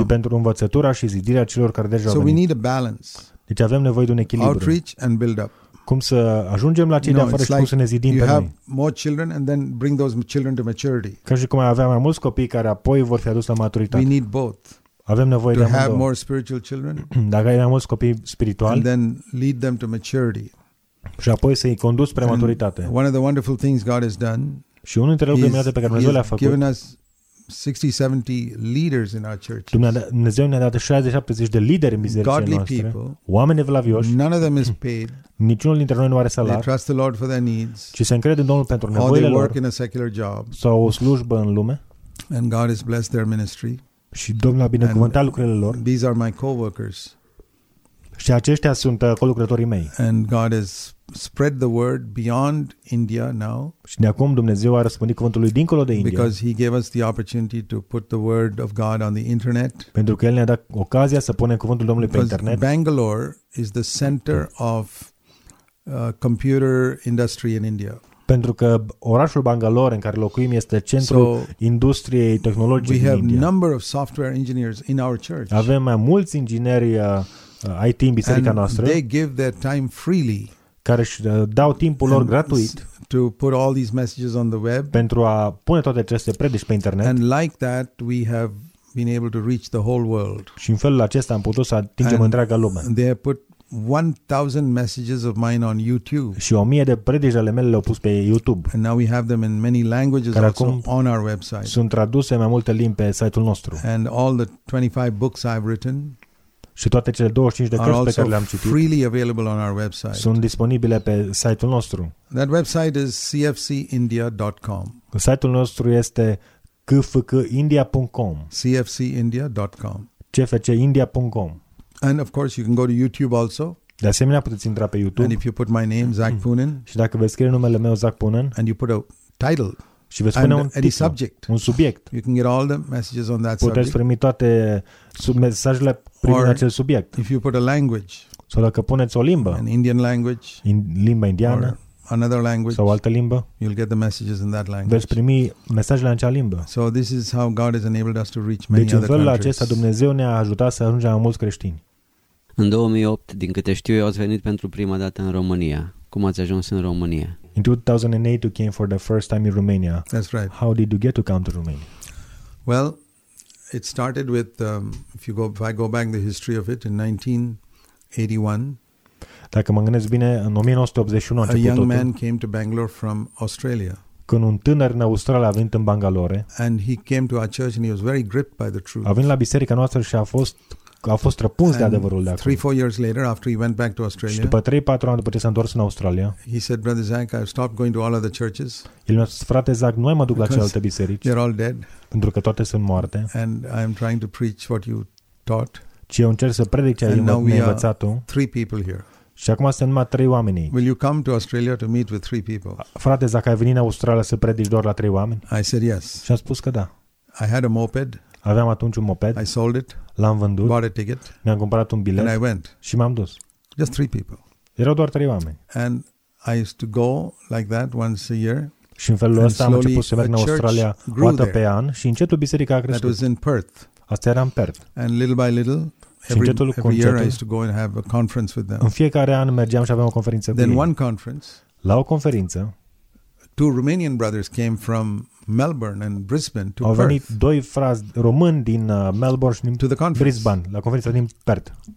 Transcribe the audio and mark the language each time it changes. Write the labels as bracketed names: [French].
[Romanian] Și pentru învățătura și zidirea celor care deja au venit. [English] So we need a balance. [Romanian] Deci avem nevoie de un echilibru. [English] Outreach and build up. [Romanian] Cum să ajungem la cei de afară și cum să ne zidim [English] you have [Romanian] noi. [English] More children and then bring those children to maturity. [Romanian] Ca și cum ai avea mai mulți copii care apoi vor fi aduși la maturitate. [English] We need both. [Romanian] Avem nevoie [English] to [Romanian] de [English] have more spiritual children. [Romanian] Dacă ai mai mulți copii spirituali. [English] And then lead them to maturity. [Romanian] Și apoi să-i conduci spre maturitate. [English] One of the wonderful things God has done. [Romanian] Și unul dintre lucrurile minunate pe care Dumnezeu le-a făcut. [English] Given us 60-70 leaders in our churches. [Romanian] Dumnezeu ne-a dat 60-70 de lideri în bisericile [English] godly [Romanian] noastre. [English] Godly people. [Romanian] Oameni evlavioși. [English] None of them is paid. [Romanian] Niciunul dintre noi nu are salar. [English] They trust the Lord for their needs. [Romanian] Ci se încrede în Domnul pentru nevoile lor. [English] They work in a secular job. [Romanian] Sau o slujbă în lume. [English] And God has blessed their ministry. [Romanian] Și Domnul a binecuvântat lucrurile lor. [English] These are my co-workers. [Romanian] Și aceștia sunt colucrătorii mei. [English] And God has spread the word beyond India now. [Romanian] Și de acum Dumnezeu a răspândit cuvântul lui dincolo de India. [English] Because he gave us the opportunity to put the word of God on the internet. [Romanian] Pentru că el ne-a dat ocazia să punem cuvântul Domnului pe internet. [English] Bangalore is the center of computer industry in India. [Romanian] Pentru că orașul Bangalore în care locuim este centrul industriei tehnologice în [English] We have a number of software engineers in our church. [Romanian] Avem mai mulți ingineri IT în biserica noastră. [English] And they give their time freely. [Romanian] Care își dau timpul lor gratuit [English] to put all these messages on the web. [Romanian] Pentru a pune toate aceste predici pe internet. [English] And like that we have been able to reach the whole world. [Romanian] Și în felul acesta am putut să atingem întreaga lume. [English] They have put 1000 messages of mine on YouTube. [Romanian] Și 1000 de predici ale mele le-au pus pe YouTube. [English] And now we have them in many languages also on our website. [Romanian] Sunt traduse în mai multe limbi pe site-ul nostru. [English] And all the 25 books I've written. [Romanian] Și toate cele 25 de cărți pe care le-am citit [English] freely available on our website. [Romanian] Sunt disponibile pe site-ul nostru. [English] That website is cfcindia.com. [Romanian] Site-ul nostru este cfcindia.com. [English] cfcindia.com. [Romanian] cfcindia.com. [English] And of course you can go to YouTube also. [Romanian] De asemenea puteți intra pe YouTube. [English] And if you put my name, Zach Punin. [Romanian] Și dacă veți scrie numele meu, Zach Punin. [English] And you put a title. [Romanian] Și veți spune un titlu, [English] subject. [Romanian] Un subiect. [English] You can get all the messages on that. [Romanian] Puteți primi toate mesajele privind acel subiect. [English] If you put a language. [Romanian] Sau dacă puneți o limbă. [English] An Indian language. [Romanian] Limba indiană. [English] Or another language. [Romanian] Sau altă limbă. [English] You'll get the messages in that language. [Romanian] Veți primi mesajele în acea limbă. [English] So this is how God has enabled us to reach many [Romanian] deci, [English] other countries. [Romanian] Deci în felul acesta Dumnezeu ne-a ajutat să ajungem la mulți creștini. În 2008, din câte știu eu, ați venit pentru prima dată în România. Cum ați ajuns în România? [English] In 2008, you came for the first time in Romania. That's right. How did you get to come to Romania? Well, it started with, if I go back the history of it, in 1981. [Romanian] Dacă mă gândesc bine, în 1981 a început [English] a young man came to Bangalore from Australia. [Romanian] Când un tânăr în Australia a venit în Bangalore. [English] And he came to our church and he was very gripped by the truth. [Romanian] A venit la biserica noastră și a fost răpuns [English] and [Romanian] de adevărul de acolo. [English] 3-4 years later after he went back to Australia. [Romanian] Și după 3-4 ani după ce s-a întors în Australia. [English] He said, "Brother Zach, I've stopped going to all other churches." [Romanian] El mi-a spus, frate Zach, nu mai mă duc la celelalte biserici. [English] They're all dead. [Romanian] Pentru că toate sunt moarte. [English] And I'm trying to preach what you taught. [Romanian] Și eu încerc să predic ce ai învățat tu. [English] Three people here. [Romanian] Și acum sunt numai 3 oameni. [English] Will you come to Australia to meet with 3 people? [Romanian] Frate Zach, ai venit în Australia să predici doar la 3 oameni? [English] I said yes. [Romanian] Și am spus că da. [English] I had a moped. [Romanian] Aveam atunci un moped. [English] I sold it. [Romanian] L-am vândut. [English] Bought a ticket. [Romanian] Mi-am cumpărat un bilet. [English] And I went. [Romanian] Și m-am dus. [English] Just 3 people. [Romanian] Erau doar 3 oameni. [English] And I used to go like that once a year. [Romanian] Și în felul ăsta am început să merg în Australia o dată pe an și încetul biserica a crescut. [English] That was in Perth. [Romanian] Asta era în Perth. [English] And little by little, every year I used to go and have a conference with them. [Romanian] În fiecare an mergeam și aveam o conferință [English] then [Romanian] cu ei. [English] One conference. [Romanian] La o conferință. [English] Two Romanian brothers came from Melbourne and Brisbane to [Romanian] au venit [English] Perth. [Romanian] Doi frați români din Melbourne și din [English] to the conference. [Romanian] Brisbane, la conferința din Perth.